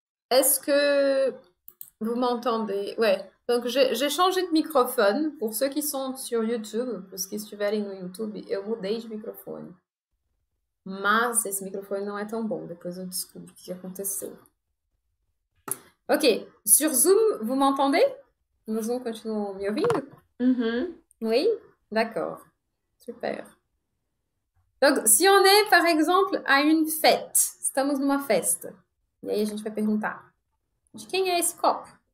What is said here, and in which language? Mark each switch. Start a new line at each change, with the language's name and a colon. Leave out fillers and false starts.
French: Est-ce que vous m'entendez? Ouais. Donc j'ai changé de microphone pour ceux qui sont sur YouTube, parce que si tu veux aller sur YouTube,
Portuguese: eu mudei de microphone. Mas esse microfone não é tão bom. Depois eu descubro o que aconteceu. Ok.
French: Sur Zoom, vous m'entendez?
Portuguese: No Zoom, continuo me ouvindo?
French: Oui? D'accord. Super. Donc, si on est, par exemple, à une fête,
Portuguese: estamos numa festa, e aí a gente vai perguntar: de quem é esse copo?